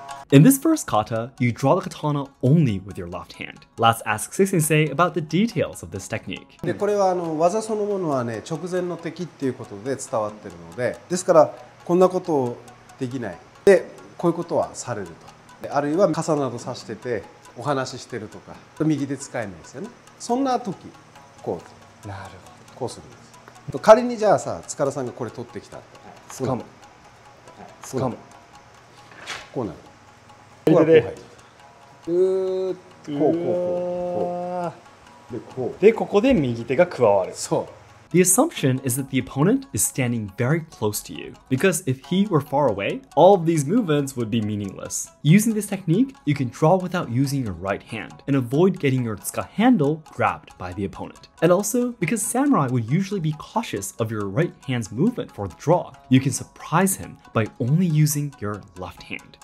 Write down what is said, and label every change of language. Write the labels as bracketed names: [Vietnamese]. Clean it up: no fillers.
[English] In this first kata, you draw the katana only with your left hand. Let's ask Seki Sensei about the details of this technique. [Japanese] で、これはあの技そのものはね、直前の敵っていうことで伝わってるので、ですからこんなことをできない。で、こういうことはされると。あるいは傘など刺しててお話ししてるとか、右手使えないですよね。そんな時、こうと。なるほど。こうするんです。仮にじゃあさ、塚田さんがこれ取ってきた。つかむ。つかむ。こうなる。左手でこうこうこうでこうでここで右手が加わる。そう。 [English] The assumption is that the opponent is standing very close to you, because if he were far away, all of these movements would be meaningless. Using this technique, you can draw without using your right hand and avoid getting your tsuka handle grabbed by the opponent. And also, because samurai would usually be cautious of your right hand's movement for the draw, you can surprise him by only using your left hand.